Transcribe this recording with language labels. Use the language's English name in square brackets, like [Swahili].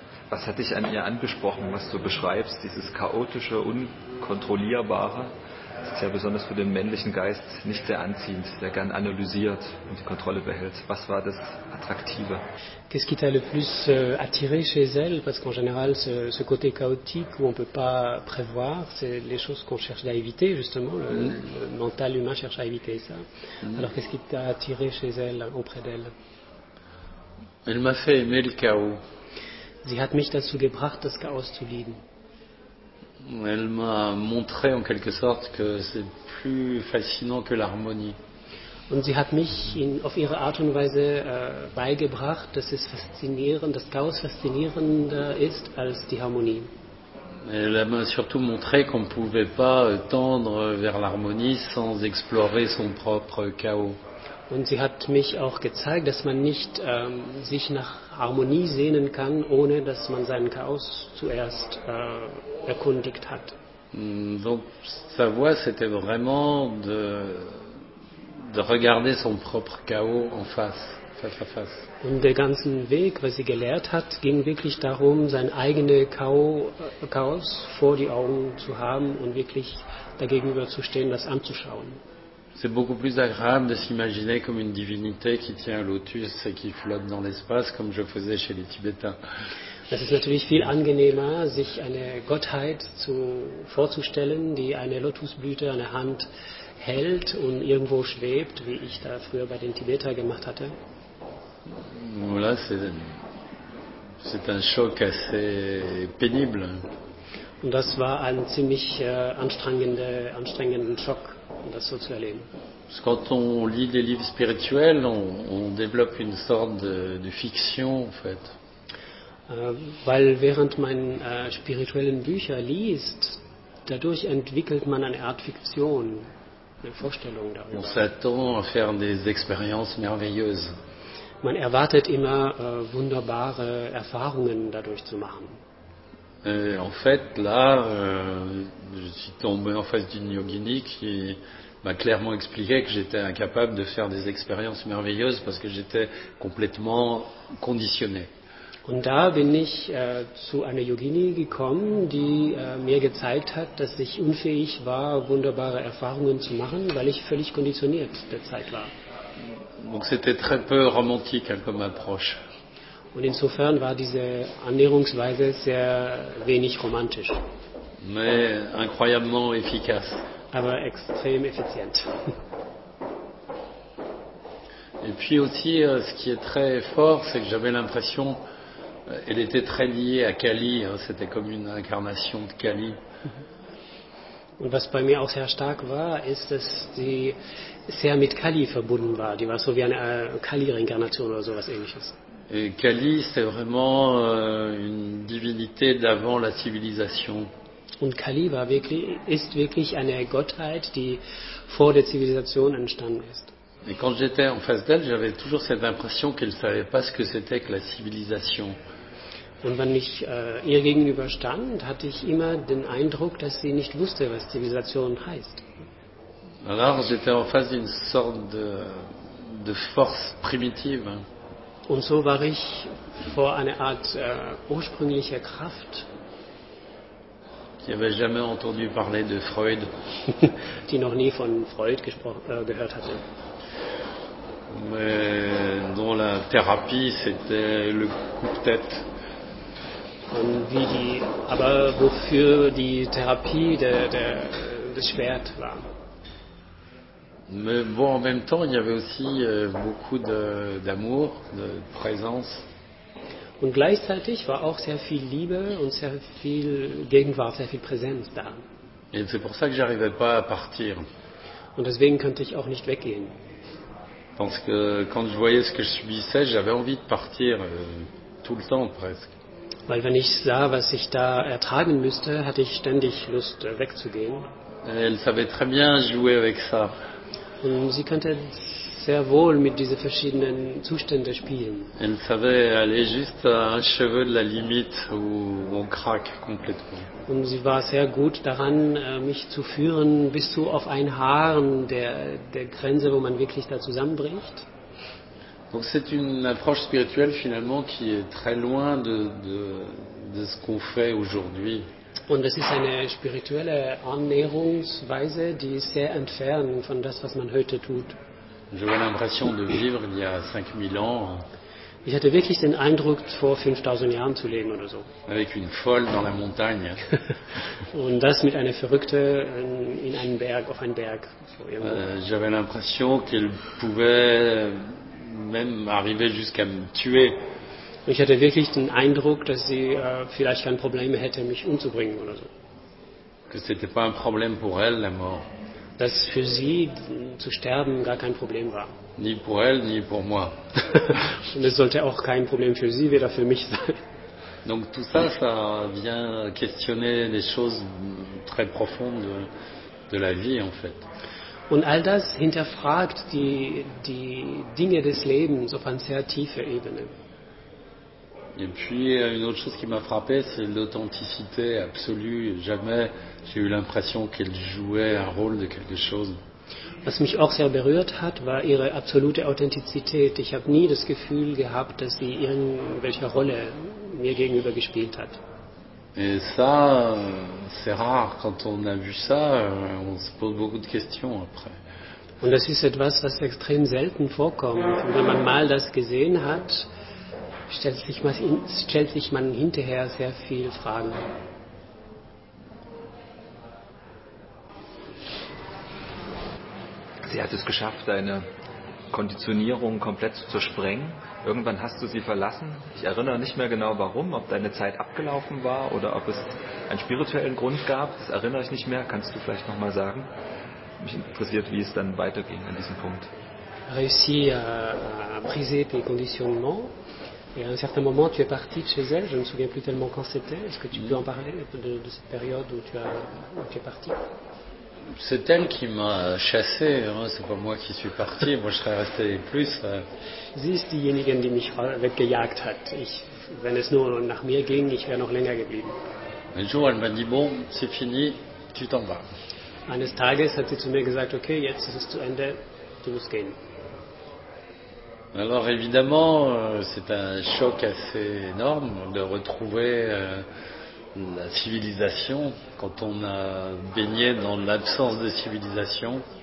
[German] was hat dich an ihr angesprochen, was du beschreibst, dieses chaotische, unkontrollierbare? Das ist ja besonders für den männlichen Geist nicht sehr anziehend, der gern analysiert und die Kontrolle behält. Was war das Attraktive? [French] Qu'est-ce qui t'a le plus attiré chez elle? Parce qu'en général, ce côté chaotique où on ne peut pas prévoir, c'est les choses qu'on cherche à éviter, justement. Le mental humain cherche à éviter ça. Alors, qu'est-ce qui t'a attiré chez elle, auprès d'elle? Elle m'a fait aimer le chaos. [German] Sie hat mich dazu gebracht, das Chaos zu lieben. [French] Elle m'a montré en quelque sorte que c'est plus fascinant que l'harmonie. [German] Und sie hat mich auf ihre Art und Weise beigebracht, dass es faszinierend, das Chaos faszinierender ist als die Harmonie. [French] Elle m'a surtout montré qu'on ne pouvait pas tendre vers l'harmonie sans explorer son propre chaos. [German] Und sie hat mich auch gezeigt, dass man nicht sich nach Harmonie sehnen kann, ohne dass man seinen Chaos zuerst erkundigt hat. [French] Donc, sa voix, c'était vraiment de regarder son propre chaos en face. [German] Und der ganze Weg, was sie gelehrt hat, ging wirklich darum, sein eigenes Chaos vor die Augen zu haben und wirklich dagegenüber zu stehen, das anzuschauen. [French] C'est beaucoup plus agréable de s'imaginer comme une divinité qui tient un lotus et qui flotte dans l'espace, comme je faisais chez les Tibétains. [German] Das ist natürlich viel angenehmer, sich eine Gottheit vorzustellen, die eine Lotusblüte an der Hand hält und irgendwo schwebt, wie ich da früher bei den Tibétern gemacht hatte. [French] Voilà, c'est un choc assez pénible. [German] Und das war ein ziemlich anstrengender Schock. Das so zu erleben. [French] Parce que quand on lit des livres spirituels, on développe une sorte de fiction, en fait. [German] Weil während man spirituellen Bücher liest, dadurch entwickelt man eine Art Fiktion, eine Vorstellung darüber. [French] On s'attend à faire des expériences merveilleuses. [German] Man erwartet immer wunderbare Erfahrungen dadurch zu machen. [French] Et en fait, là, je suis tombé en face d'une yogini qui m'a clairement expliqué que j'étais incapable de faire des expériences merveilleuses parce que j'étais complètement conditionné. [German] Und da bin ich zu einer Yogini gekommen, die mir gezeigt hat, dass ich unfähig war, wunderbare Erfahrungen zu machen, weil ich völlig konditioniert derzeit war. [French] Donc c'était très peu romantique hein, comme approche. [German] Und insofern war diese Annäherungsweise sehr wenig romantisch. [French] Mais incroyablement efficace. [German] Aber extrem effizient. [French] Et puis aussi, ce qui est très fort, c'est que j'avais l'impression, elle était très liée à Kali, c'était comme une incarnation de Kali. [German] Und was bei mir auch sehr stark war, ist, dass sie sehr mit Kali verbunden war. Die war so wie eine Kali-Reinkarnation oder sowas ähnliches. [French] Et Kali, c'est vraiment une divinité d'avant la civilisation. [German] Und Kali war wirklich, ist wirklich eine Gottheit, die vor der Zivilisation entstanden ist. [French] Et quand j'étais en face d'elle, j'avais toujours cette impression qu'elle ne savait pas ce que c'était que la civilisation. [German] Und wenn ich ihr gegenüber stand, hatte ich immer den Eindruck, dass sie nicht wusste, was Zivilisation heißt. [French] Alors, j'étais en face d'une sorte de force primitive. [German] Und so war ich vor einer Art ursprünglicher Kraft. [French] Qui avait jamais entendu parler de Freud. [German] Die noch nie von Freud gehört hatte. [French] Mais dont la thérapie, c'était le coup de tête. [German] Und wie die, aber wofür die Therapie das Schwert war. [French] Mais bon, en même temps, il y avait aussi beaucoup d'amour, de présence. [German] Und gleichzeitig war auch sehr viel Liebe und sehr viel Gegenwart, sehr viel Präsenz da. [French] Et c'est pour ça que j'arrivais pas à partir. [German] Und deswegen konnte ich auch nicht weggehen. [French] Parce que quand je voyais ce que je subissais, j'avais envie de partir tout le temps presque. [German] Weil wenn ich sah, was ich da ertragen müsste, hatte ich ständig Lust wegzugehen. [French] Et elle savait très bien jouer avec ça. [German] Und sie konnte sehr wohl mit diesen verschiedenen Zuständen spielen. [French] Elle savait aller juste à un cheveu de la limite où on craque complètement. [German] Und sie war sehr gut daran, mich zu führen bis zu auf ein Haar der Grenze, wo man wirklich da zusammenbricht. [French] Donc c'est une approche spirituelle finalement qui est très loin de ce qu'on fait aujourd'hui. [German] Und das ist eine spirituelle Annäherungsweise, die ist sehr entfernt von das, was man heute tut. [French] J'avais l'impression de vivre il y a 5000 ans. [German] Ich hatte wirklich den Eindruck, vor 5000 Jahren zu leben oder so. [French] Avec une folle dans la montagne. [German] Und das mit einer Verrückte in einem Berg, auf einem Berg. [French] J'avais l'impression qu'elle pouvait même arriver jusqu'à me tuer. [German] Ich hatte wirklich den Eindruck, dass sie vielleicht kein Problem hätte, mich umzubringen oder so. [French] Que c'était pas un problème pour elle, la mort. [German] Dass für sie zu sterben gar kein Problem war. [French] Ni pour elle, ni pour moi. [German] Und es sollte auch kein Problem für sie, weder für mich sein. [French] Donc tout ça, ça vient questionner des choses très profondes de la vie, en fait. [German] Und all das hinterfragt die Dinge des Lebens auf einer sehr tiefen Ebene. [French] Et puis une autre chose qui m'a frappé, c'est l'authenticité absolue. Jamais j'ai eu l'impression qu'elle jouait un rôle de quelque chose. [German] Was mich auch sehr berührt hat, war ihre absolute Authentizität. Ich habe nie das Gefühl gehabt, dass sie irgendwelche Rolle mir gegenüber gespielt hat. [French] Et ça, c'est rare. Quand on a vu ça, on se pose beaucoup de questions après. [German] Und das ist etwas, was extrem selten vorkommt. Und wenn man mal das gesehen hat, stellt sich man hinterher sehr viele Fragen. Sie hat es geschafft, deine Konditionierung komplett zu sprengen. Irgendwann hast du sie verlassen. Ich erinnere nicht mehr genau, warum, ob deine Zeit abgelaufen war oder ob es einen spirituellen Grund gab. Das erinnere ich nicht mehr. Kannst du vielleicht nochmal sagen? Mich interessiert, wie es dann weiterging an diesem Punkt. [French] Réussi à briser tes conditionnements. Et à un certain moment, tu es parti de chez elle, je ne me souviens plus tellement quand c'était. Est-ce que tu peux en parler de cette période où tu es parti? C'est elle qui m'a chassé, hein. C'est pas moi qui suis parti, moi je serais resté plus. [German] Sie ist diejenige, die mich weggejagt hat. Wenn es nur nach mir ging, ich wäre noch länger geblieben. [French] Un jour, elle m'a dit, bon, c'est fini, tu t'en vas. [German] Eines Tages hat sie zu mir gesagt, okay, jetzt ist es zu Ende, du musst gehen. [French] Alors évidemment, c'est un choc assez énorme de retrouver la civilisation quand on a baigné dans l'absence de civilisation.